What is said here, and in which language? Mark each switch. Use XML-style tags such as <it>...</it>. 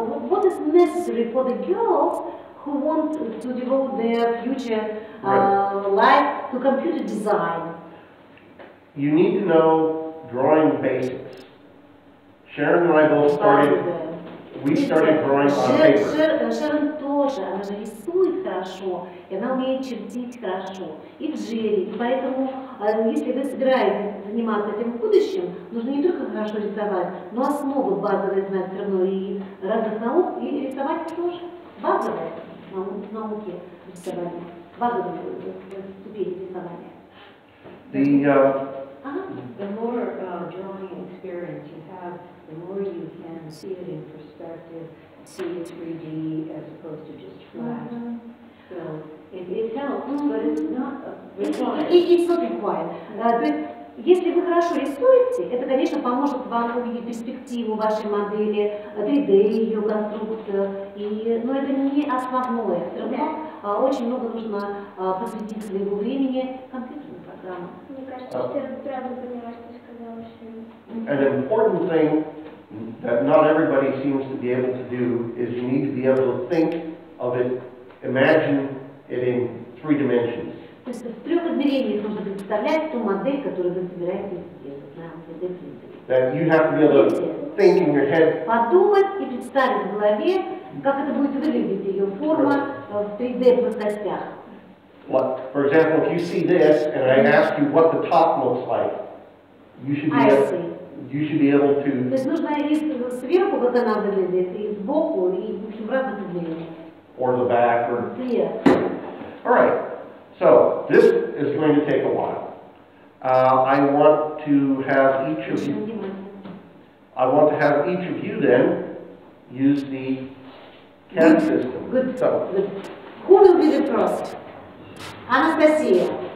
<en>What is necessary for the girls who want to devote their future life to computer design? You need to know drawing basics. Sharon and I both started, we started drawing on paper.</en> <ru>Sharon тоже, она же рисует хорошо, и она умеет чертить хорошо. И Джерри, поэтому, если вы собираетесь заниматься этим в будущем, нужно не только хорошо рисовать, но основу базовой знать все равно, и разных наук, и рисовать тоже. Базовые науки рисования, базовые ступени рисования.</ru> <en>The more drawing experience you have, the more you can see it in perspective, see it 3D as opposed to just flat. So it helps, but it's not required. It's not required.</en> <ru>Если вы хорошо рисуете, это, конечно, поможет вам увидеть перспективу вашей модели, 3D, ее конструктора, но это не основное. Все равно очень много нужно посвятить своему времени компьютерным программам. Мне кажется, что я правильно поняла, что ты сказала, что...</ru> <en>An important thing that not everybody seems to be able to do is you need to be able to think of it, imagine it in three dimensions.</en> <ru>То есть в трех измерениях нужно представлять ту модель, которую вы собираетесь сделать. Подумать и представить в голове, как это будет выглядеть, ее форма в 3D плоскостях.</ru> <en>Вот, for example, if you see this and I ask you what the top looks like, you should be able to.</en> <ru>То есть нужно рисовать сверху, как она выглядит, и сбоку, и в общем в разных измерениях.</ru> <en>Or the back, or. Yeah. All right. So, this is going to take a while. I want to have each of you... I want to have each of you then use the CAD system. Good. So. Who will be the first? Anastasia.</en>